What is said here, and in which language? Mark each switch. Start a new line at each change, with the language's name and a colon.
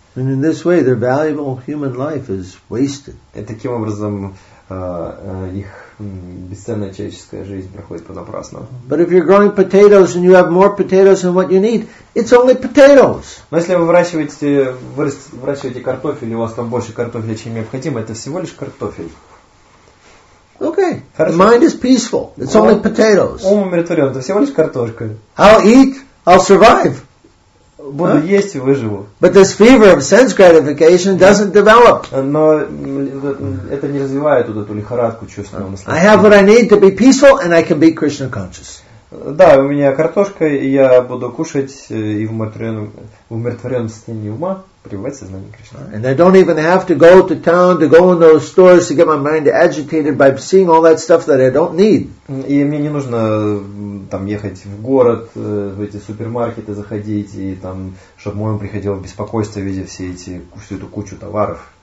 English: And in this way, their valuable human life is wasted.
Russian: И таким образом их бесценная человеческая жизнь проходит понапрасну.
English: But if you're growing potatoes and you have more potatoes than what you need, it's only potatoes.
Russian: Но если вы выращиваете картофель, и у вас там больше картофеля, чем необходимо, это всего лишь картофель.
English: Okay.
Russian: Хорошо.
English: The mind is peaceful. It's only potatoes.
Russian: Ум умиротворен. Это всего лишь картошка.
English: I'll eat. I'll survive.
Russian: Буду есть и выживу.
English: But this fever of sense gratification doesn't develop.
Russian: Но это не развивает вот эту лихорадку чувственного наслаждения.
English: I have what I need to be peaceful, and I can be Krishna conscious.
Russian: Да, у меня картошка, и я буду кушать и в умиротворенном состоянии ума пребывать в сознании Кришны.
English: And I don't even have to go to town to go in those stores to get my mind agitated by seeing all that stuff that I don't need.
Russian: И мне не нужно там ехать в город, в эти супермаркеты заходить и там, чтобы мой ум приходил в беспокойство, видя всю эту кучу товаров.